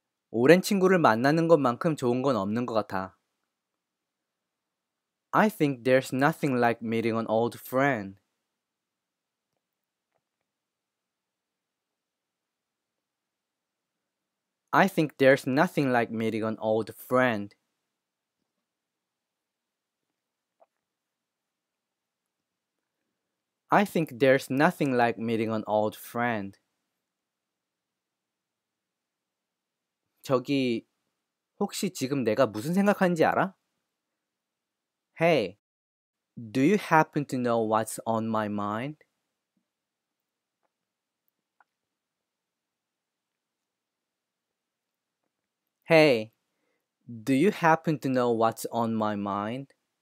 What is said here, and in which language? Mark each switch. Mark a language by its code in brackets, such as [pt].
[ko] 오랜 친구를 만나는 것만큼 좋은 건 없는 것 같아. [en] I think there's nothing like meeting an old friend. I think there's nothing like meeting an old friend. I think there's nothing like meeting an old friend. [ko] 저기, 혹시 지금 내가 무슨 생각하는지 알아? [en] Hey, do you happen to know what's on my mind? Hey, do you happen to know what's on my mind?